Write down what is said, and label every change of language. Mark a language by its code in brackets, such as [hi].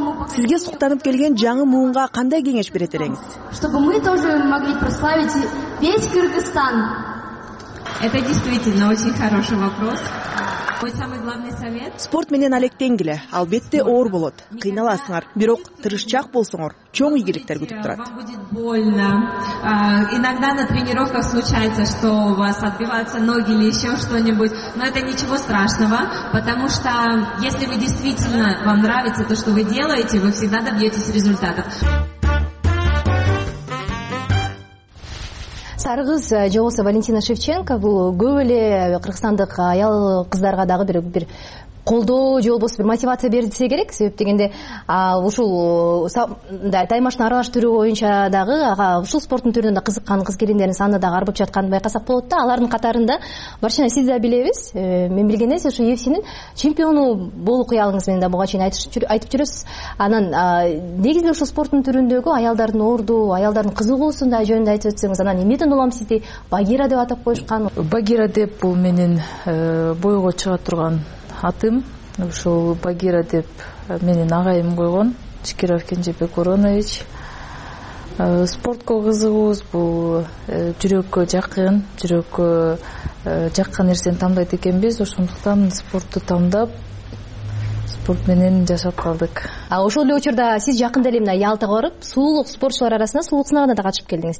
[ky] Сизге суктанып келген жаңы муунга кандай кеңеш берет элеңиз? [ru] Чтобы мы тоже могли прославить весь Кыргызстан. Это действительно очень хороший вопрос. Мой самый главный совет. [ky] Спорт менен алектенги эле, албетте оор болот. Кыйналасыңар, бирок тырышчаак болсоңор, чоң ийгиликтер күтүп турат. [ru] Вам будет больно. Иногда на тренировках случается, что у вас отбиваются ноги или еще что-нибудь. Но это ничего страшного, потому что если вы действительно вам нравится то, что вы делаете, вы всегда добьетесь результатов. [ky] Сары кыз же болсо Валентина Шевченко, бул көп эле кыргызстандык аял кыздарга дагы бир колдоо же болбосо бир мотивация берсе керек. Себеп дегенде ушул таймашын аралаштыруу боюнча дагы ага ушул спорттун түрүнө да кызыккан кыз келиндердин саны дагы арбып жатканын байкасак болот да. Алардын катарында барчана сиз да билебиз, мен билгенде сиз ушу UFC'нин чемпиону болуу кыялыңыз менен да буга чейин айтып жүрөсүз. Анан негизинен ушул спорттун түрүндөгү аялдардын орду, аялдардын кызыгуусун да жөнүндө айтып өтсөңүз. Анан эмнеден улам сизди Багира деп атап коюшкан? Багира деп бул менин боюга чыга турган атым. Ушул Багира деп менин агайым койгон, Чикиров Кенжебек Уронович. Спортко кызыгуубуз бул жүрөккө жакын, жүрөккө жаккан нерсени тандайт экенбиз. Ошондуктан спортту тандап, спорт менен жашап калдык. Ошол эле учурда сиз жакында эле мына Ялтага барып, суулук спортчулар арасында суулук сынагына да катышып келдиңиз.